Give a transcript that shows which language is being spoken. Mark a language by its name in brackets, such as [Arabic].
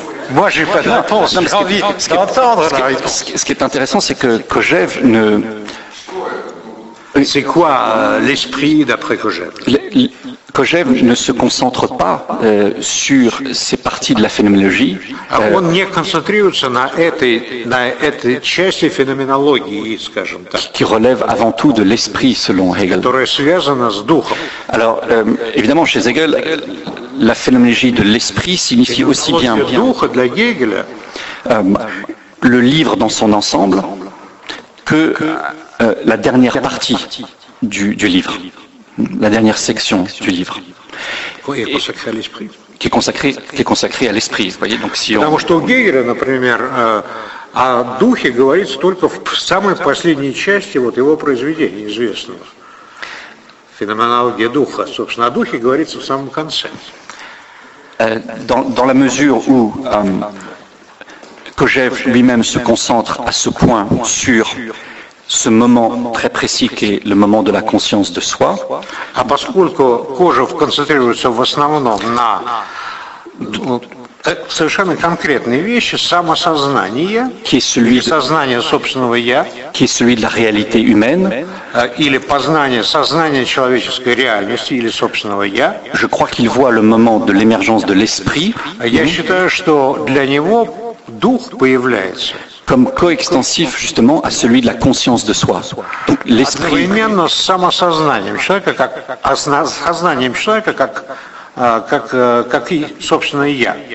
[French] Moi, je n'ai pas de réponse. J'ai envie d'entendre la réponse. Ce qui est intéressant, c'est que Kojève ne... C'est quoi l'esprit d'après Kojève? Kojève ne se concentre pas sur ces parties de la phénoménologie. [Russian] Он не концентрируется на этой части феноменологии, скажем так. [French] Qui relève avant tout de l'esprit selon Hegel. [Russian] Которая связана с духом. [French] Alors évidemment chez Hegel, la phénoménologie de l'esprit signifie aussi bien. [Russian] Духа для Гегеля. [French] Le livre dans son ensemble, que la dernière partie du livre, la dernière section du livre, qui est consacrée à l'esprit. Qui est consacrée à l'esprit, vous voyez. Donc si on... [Russian] Потому что у Гегеля, например, о духе говорится только в самой последней части вот его произведения известного. Феноменология духа. Собственно, о духе говорится в самом конце. [French] Dans la mesure où Kojève lui-même se concentre à ce point sur ce moment très précis qui est le moment de la conscience de soi. [Russian] А поскольку Кожев концентрируется в основном на совершенно конкретные вещи, самосознание, сознание собственного я, [French] qui est celui de la réalité humaine, [Russian] или познание, сознание человеческой реальности или собственного я, [French] je crois qu'il voit le moment de l'émergence de l'esprit. [Russian] Я считаю, что для него дух появляется. [French] Comme coextensif justement à celui de la conscience de soi. Donc l'esprit. [Russian] Одновременно с самосознанием человека, как сознанием человека, как и собственное я.